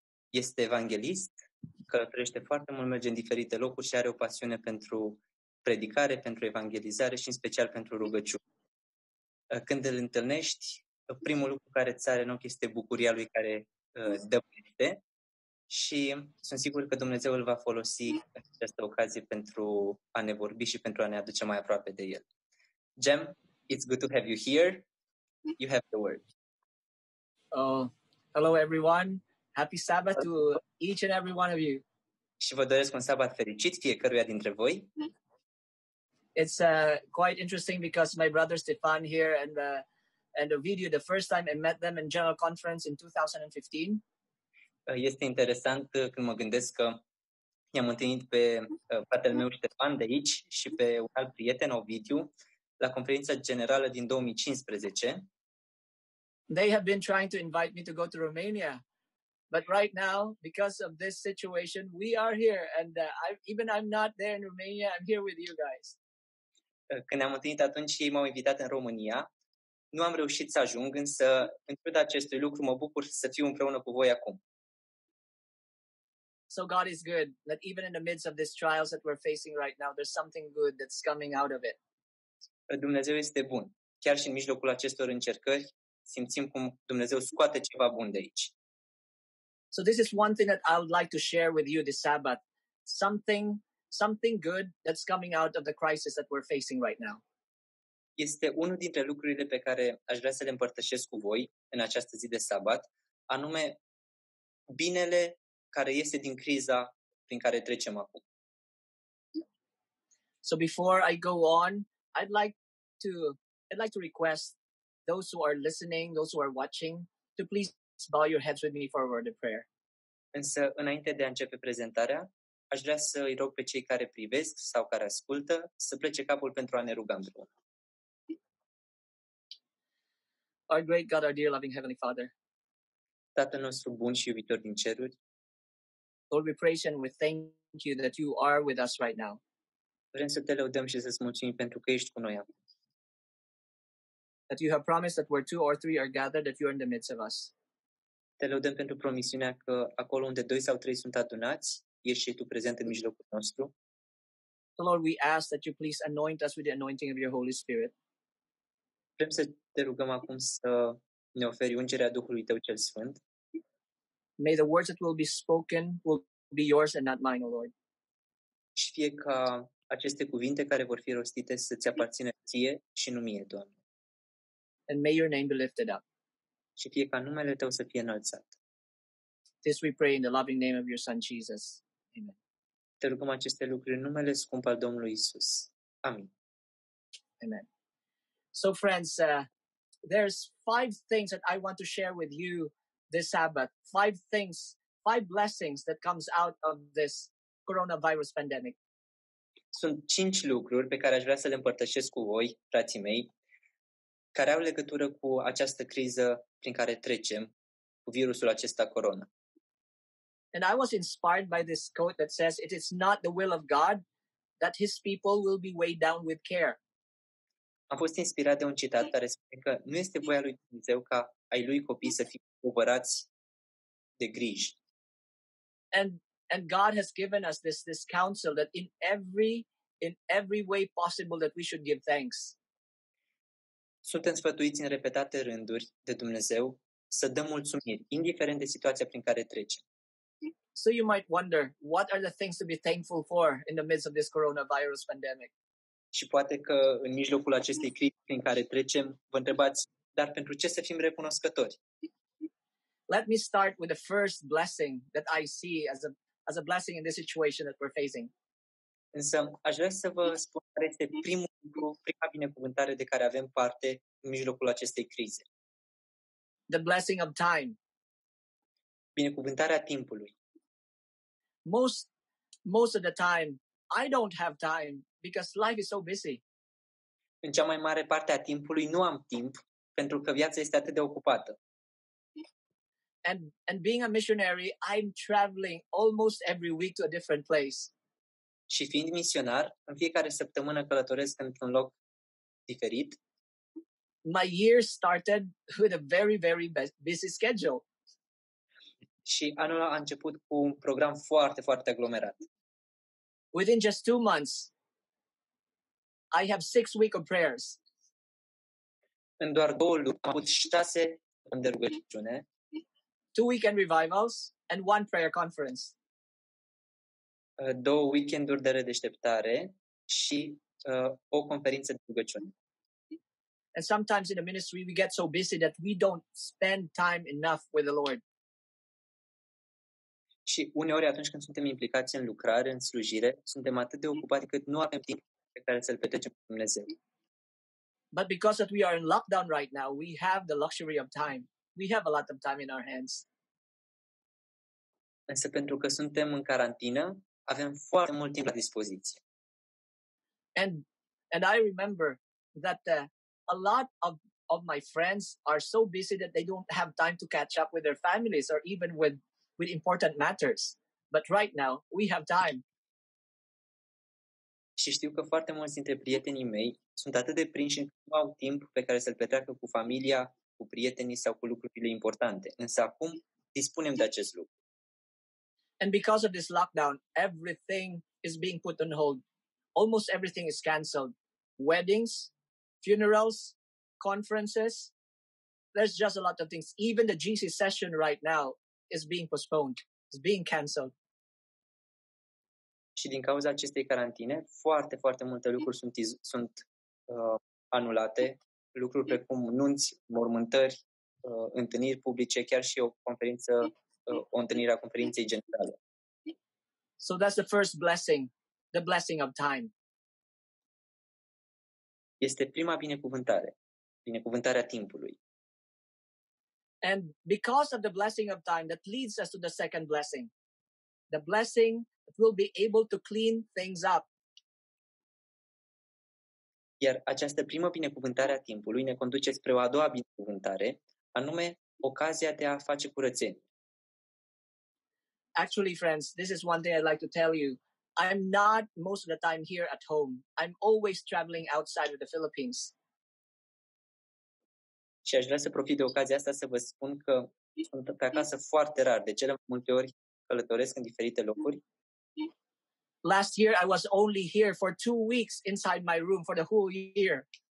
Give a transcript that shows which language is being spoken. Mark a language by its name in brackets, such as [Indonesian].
[Romanian] Este evanghelist, călătorește foarte mult, merge în diferite locuri și are o pasiune pentru predicare, pentru evanghelizare și în special pentru rugăciune. Când îl întâlnești, primul lucru care îți sare în ochi este bucuria lui care dăpește și sunt sigur că Dumnezeu îl va folosi în această ocazie pentru a ne vorbi și pentru a ne aduce mai aproape de El. [English] Gem, it's good to have you here. You have the word. Hello everyone. Happy Sabbath to each and every one of you. [Romanian] Și vă doresc un sabat fericit fiecăruia dintre voi. [English] It's quite interesting because my brother Stefan here and Ovidiu, the first time I met them in general conference in 2015. [Romanian] Este interesant când mă gândesc că i-am întâlnit pe fratele meu Stefan de aici și pe un alt prieten Ovidiu la conferința generală din 2015. [English] They have been trying to invite me to go to Romania. But right now, because of this situation, we are here. And I'm not there in Romania, I'm here with you guys. [Romanian] Când ne-am întâlnit atunci, ei m-au invitat în România. Nu am reușit să ajung, însă, în ciuda acestui lucru, mă bucur să fiu împreună cu voi acum. [English] So God is good, that even in the midst of these trials that we're facing right now, there's something good that's coming out of it. [Romanian] Dumnezeu este bun. Chiar și în mijlocul acestor încercări, simțim cum Dumnezeu scoate ceva bun de aici. [English] So this is one thing that I would like to share with you this Sabbath. Something good that's coming out of the crisis that we're facing right now. [Romanian] Este unul dintre lucrurile pe care aș vrea să le împărtășesc cu voi în această zi de Sabbath, anume binele care iese din criza prin care trecem acum. [English] So before I go on, I'd like to request those who are listening, those who are watching, to please bow your heads with me for a word of prayer. [Romanian] Însă, înainte de a începe prezentarea, aș vrea să îi rog pe cei care privesc sau care ascultă să plece capul pentru a ne ruga împreună. [English] Our great God, our dear loving Heavenly Father. [Romanian] Tatăl nostru bun și iubitor din ceruri. [English] Lord, we praise and we thank you that you are with us right now. [Romanian] Vrem să te lăudăm și să-ți mulțumim pentru că ești cu noi acum. [English] That you have promised that where two or three are gathered, that you are in the midst of us. [Romanian] Te lăudăm pentru promisiunea că acolo unde doi sau trei sunt adunați, ești și tu prezent în mijlocul nostru. [English] So Lord, we ask that you please anoint us with the anointing of your Holy Spirit. [Romanian] Vrem să te rugăm acum să ne oferi ungerea Duhului Tău cel Sfânt. [English] May the words that will be spoken will be yours and not mine, O Lord. [Romanian] Și fie ca aceste cuvinte care vor fi rostite să-ți aparțină ție și nu mie, Doamne. [English] And may your name be lifted up. [Romanian] Și fie ca numele tău să fie înălțat. [English] This we pray in the loving name of your son Jesus. Amen. [Romanian] Te rugăm aceste lucruri în numele scump al Domnului Isus. Amin. [English] Amen. So friends, there's five things that I want to share with you this Sabbath. Five things, five blessings that comes out of this coronavirus pandemic. [Romanian] Sunt cinci lucruri pe care aș vrea să le împărtășesc cu voi, frații mei, care au legătură cu această criză prin care trecem, cu virusul acesta corona. [English] And I was inspired by this quote that says it is not the will of God that his people will be weighed down with care. [Romanian] Am fost inspirat de un citat care spune că nu este voia lui Dumnezeu ca ai lui copii să fie povărați de griji. [English] And God has given us this counsel that in every way possible that we should give thanks. [Romanian] Suntem sfătuiți în repetate rânduri de Dumnezeu să dăm mulțumiri, indiferent de situația prin care trecem. [English] So you might wonder, what are the things to be thankful for in the midst of this coronavirus pandemic? [Romanian] Și poate că în mijlocul acestei crize prin care trecem, vă întrebați, dar pentru ce să fim recunoscători? [English] Let me start with the first blessing that I see as a blessing in this situation that we're facing. [Romanian] Însă aș vrea să vă spun care este primul lucru, prima binecuvântare de care avem parte în mijlocul acestei crize. [English] The blessing of time. [Romanian] binecuvântarea timpului. [English] Most of the time, I don't have time because life is so busy. [Romanian] În cea mai mare parte a timpului nu am timp pentru că viața este atât de ocupată. [English] And being a missionary, I'm traveling almost every week to a different place. [Romanian] Și fiind misionar, în fiecare săptămână călătoresc într-un loc diferit. [English] My year started with a very, very busy schedule. [Romanian] Și anul a început cu un program foarte, foarte aglomerat. [English] Within just 2 months, I have 6 weeks of prayers. [Romanian] În doar 2 luni, am avut 6 luni de rugăciune. [English] 2 weekend revivals and 1 prayer conference. [Romanian] 2 weekenduri de redeșteptare și o conferință de rugăciune. [English] And sometimes in the ministry we get so busy that we don't spend time enough with the Lord. [Romanian] Și uneori atunci când suntem implicați în lucrare, în slujire, suntem atât de ocupați cât nu avem timp pe care să-L petrecem cu Dumnezeu. [English] But because that we are in lockdown right now, we have the luxury of time. We have a lot of time in our hands. [Romanian] Însă pentru că suntem în carantină, avem foarte mult timp la dispoziție. [English] And I remember that a lot of my friends are so busy that they don't have time to catch up with their families or even with important matters. But right now, we have time. [Romanian] Și știu că foarte mulți dintre prietenii mei sunt atât de prinși că nu au timp pe care să-l petreacă cu familia, cu prietenii sau cu lucrurile importante. Însă acum dispunem de acest lucru. [English] And because of this lockdown, everything is being put on hold. Almost everything is cancelled. Weddings, funerals, conferences. There's just a lot of things. Even the GC session right now is being postponed. It's being cancelled. [Romanian] Și din cauza acestei carantine, foarte, foarte multe lucruri sunt anulate. Lucruri precum nunți, mormântări, întâlniri publice, chiar și o conferință, o întâlnire a conferinței generale. [English] So that's the first blessing, the blessing of time. [Romanian] Este prima binecuvântare, binecuvântarea timpului. [English] And because of the blessing of time, that leads us to the second blessing. The blessing that we'll be able to clean things up. [Romanian] Iar această primă binecuvântare a timpului ne conduce spre o a doua binecuvântare, anume ocazia de a face curățenie. [English] Actually, friends, this is one thing I'd like to tell you. I'm not most of the time here at home. I'm always traveling outside of the Philippines. [Romanian] Și aș vrea să profit de ocazia asta să vă spun că sunt pe acasă foarte rar. De cele mai multe ori călătoresc în diferite locuri. [English] Last year, I was only here for 2 weeks inside my room for the whole year.